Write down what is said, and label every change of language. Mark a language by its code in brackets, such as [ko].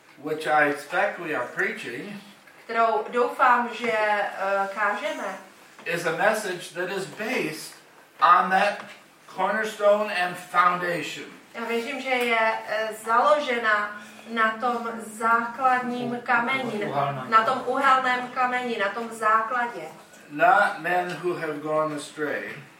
[en] Which I expect we are preaching. [cs] Kterou doufám, že kážeme. [en] Is a message that is based on that cornerstone and foundation. [cs] Já věřím, že je založena na tom základním kameni, na tom uhelném kameni, na tom základě. [en] Not men who have gone astray.